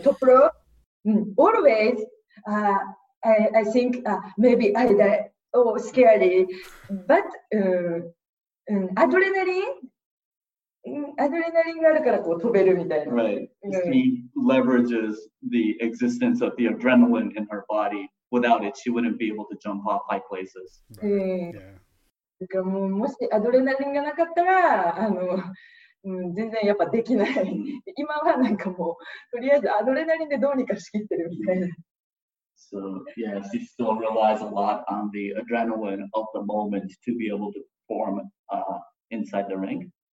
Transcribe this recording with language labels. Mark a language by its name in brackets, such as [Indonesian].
[English] So top row, always I think maybe I die. Oh, scary. [Japanese] But adrenaline があるからこう飛べるみたいな。 [English] Right. She leverages the existence of the adrenaline in her body. Without it, she wouldn't be able to jump off high places. Right. [Japanese] Yeah. だからもう、もしアドレナリンがなかったら、全然やっぱできない。今はなんかもう、とりあえずアドレナリンでどうにかしきってるみたいな。 [English] So, yeah, she still relies a lot on the adrenaline of the moment to be able to perform inside the ring.